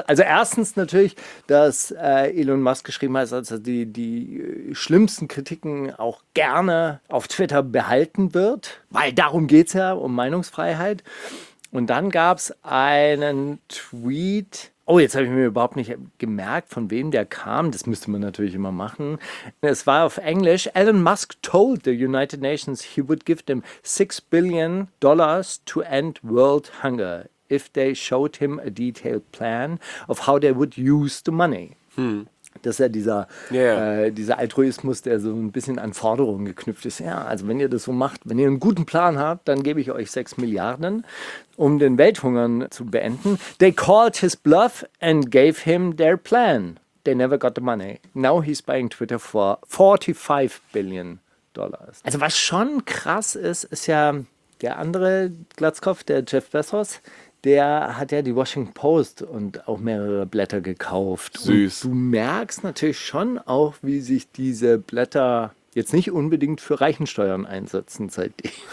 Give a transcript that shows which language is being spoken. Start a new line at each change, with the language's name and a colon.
German: Also erstens natürlich, dass Elon Musk geschrieben hat, dass er die schlimmsten Kritiken auch gerne auf Twitter behalten wird, weil darum geht es ja, um Meinungsfreiheit. Und dann gab es einen Tweet Oh, jetzt habe ich mir überhaupt nicht gemerkt, von wem der kam. Das müsste man natürlich immer machen. Es war auf Englisch.
English: Elon Musk told the United Nations he would give them $6 billion to end world hunger if they showed him a detailed plan of how they would use the money. Hm.
German: Das ist ja dieser, dieser Altruismus, der so ein bisschen an Forderungen geknüpft ist. Ja, also wenn ihr das so macht, wenn ihr einen guten Plan habt, dann gebe ich euch 6 Milliarden, um den Welthunger zu beenden.
English: They called his bluff and gave him their plan. They never got the money. Now he's buying Twitter for $45 billion.
German: Also was schon krass ist, ist ja der andere Glatzkopf, der Jeff Bezos, der hat ja die Washington Post und auch mehrere Blätter gekauft. Süß. Und du merkst natürlich schon auch, wie sich diese Blätter jetzt nicht unbedingt für Reichensteuern einsetzen seitdem.